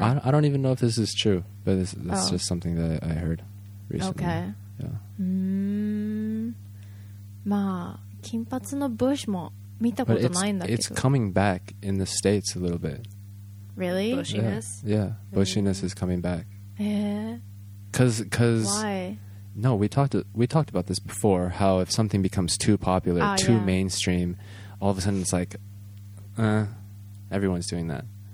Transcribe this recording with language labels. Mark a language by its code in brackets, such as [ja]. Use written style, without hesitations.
[en] I don't even know if this is true, but this is just something that I heard. Recently. Okay. Yeah. [ja] まあ、金髪のブッシュも見たことないんだけど。 [en] It's coming back in the States a little bit. Really? Bushiness? Yeah. Bushiness is coming back. Why? No, we talked about this before, how if something becomes too popular, mainstream, all of a sudden it's like, everyone's doing that.